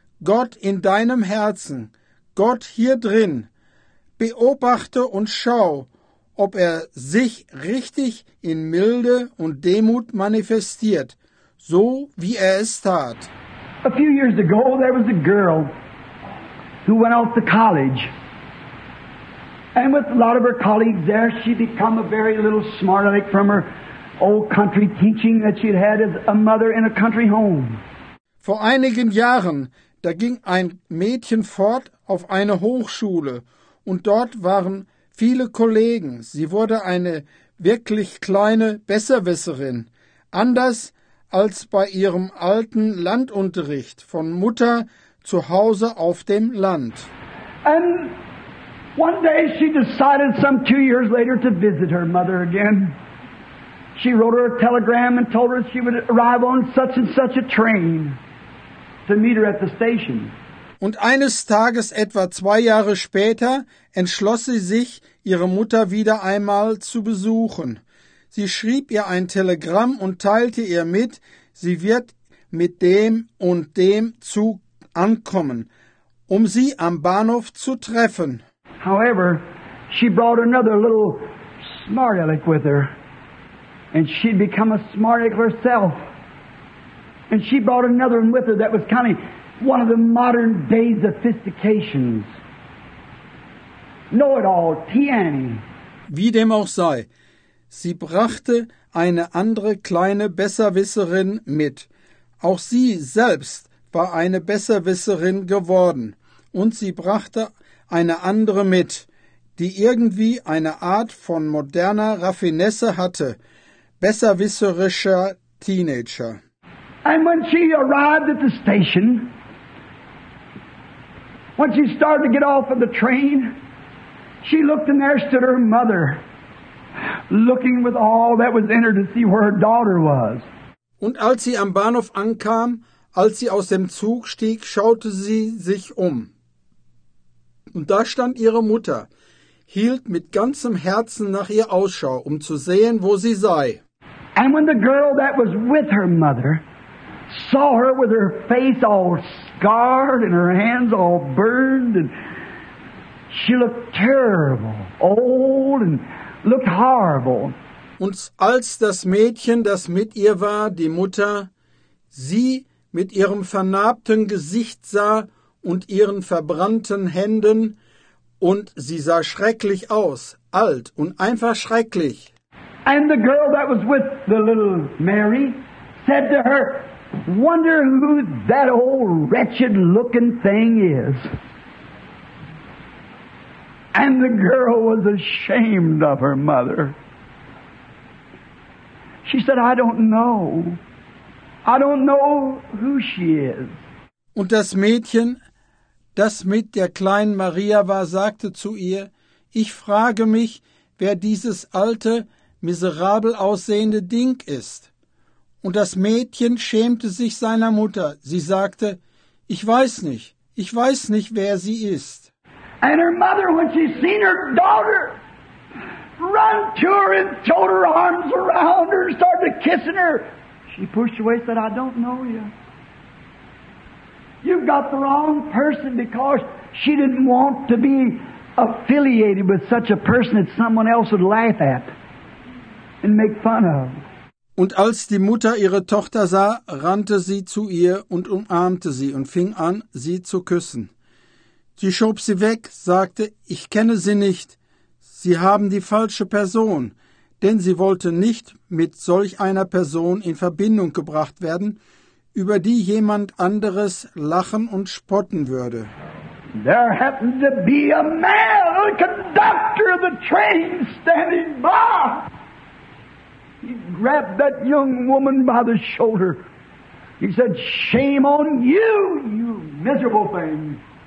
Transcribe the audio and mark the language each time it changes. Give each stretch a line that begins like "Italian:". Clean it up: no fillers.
German: Gott in deinem Herzen, Gott hier drin. Beobachte und schau, ob er sich richtig in Milde und Demut manifestiert, so wie er es tat.
English: A few years ago, there was a girl who went off to college. And with a lot of her colleagues there, she became a very little smart aleck from her old country teaching that she'd had as a mother in a country home.
German: Vor einigen Jahren, da ging ein Mädchen fort auf eine Hochschule. Und dort waren viele Kollegen. Sie wurde eine wirklich kleine Besserwisserin. Anders als bei ihrem alten Landunterricht von Mutter zu Hause auf dem Land.
English: And one day she decided some 2 years later to visit her mother again. She wrote her a telegram and told her she would arrive on such and such a train to meet her at the station.
German: Und eines Tages, etwa 2 Jahre später, entschloss sie sich, ihre Mutter wieder einmal zu besuchen. Sie schrieb ihr ein Telegramm und teilte ihr mit, sie wird mit dem und dem Zug ankommen, um sie am Bahnhof zu treffen.
English: However, she brought another little smart aleck with her, and she'd become a smart aleck herself. And she brought another one with her that was kind of one of the modern day sophistications. Know-it-all, Tiani.
German: Wie dem auch sei. Sie brachte eine andere kleine Besserwisserin mit. Auch sie selbst war eine Besserwisserin geworden. Und sie brachte eine andere mit, die irgendwie eine Art von moderner Raffinesse hatte. Besserwisserischer Teenager.
English: And when she arrived at the station, when she started to get off of the train, she looked and there stood her mother. Looking with all that was in her to see where her daughter was.
German: Und als sie am Bahnhof ankam, als sie aus dem Zug stieg, schaute sie sich um. Und da stand ihre Mutter, hielt mit ganzem Herzen nach ihr Ausschau, um zu sehen, wo sie sei.
English: And when the girl that was with her mother saw her with her face all scarred and her hands all burned, and she looked terrible, old and looked horrible.
German: Und als das Mädchen, das mit ihr war, die Mutter, sie mit ihrem vernarbten Gesicht sah und ihren verbrannten Händen, und sie sah schrecklich aus, alt und einfach schrecklich.
English: And the girl that was with the little Mary said to her, "Wonder who that old wretched looking thing is." And the girl was ashamed of her mother. She said, "I don't know. I don't know who she is."
German: Und das Mädchen, das mit der kleinen Maria war, sagte zu ihr, "Ich frage mich, wer dieses alte, miserabel aussehende Ding ist." Und das Mädchen schämte sich seiner Mutter. Sie sagte, "Ich weiß nicht. Ich weiß nicht, wer sie ist."
English: And her mother, when she seen her daughter, run to her and throw her arms around her and started kissing her. She pushed away and said, "I don't know you. You've got the wrong person," because she didn't want to be affiliated with such a person that someone else would laugh at and make fun of.
German: Und als die Mutter ihre Tochter sah, rannte sie zu ihr und umarmte sie und fing an, sie zu küssen. Sie schob sie weg, sagte, "Ich kenne sie nicht. Sie haben die falsche Person. denn sie wollte nicht mit solch einer Person in Verbindung gebracht werden, über die jemand anderes lachen und spotten würde.
English: There happened to be a male conductor of the train standing by. He grabbed that young woman by the shoulder. He said, shame on you, you miserable thing.